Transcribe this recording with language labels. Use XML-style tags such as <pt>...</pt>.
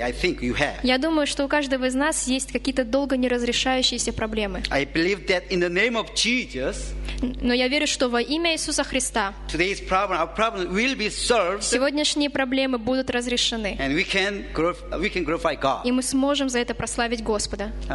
<en>I think you have.</en> <ru>Я думаю, что у каждого из нас есть какие-то долго неразрешающиеся проблемы.</ru> <en>I believe that in the name of Jesus,</en> <ru>но я верю, что во имя Иисуса Христа</ru> <en>today's problem, our problem will be solved,</en> <ru>сегодняшние проблемы будут разрешены.</ru> <en>And we can glorify God.</en> <ru>И мы сможем за это прославить Господа.</ru>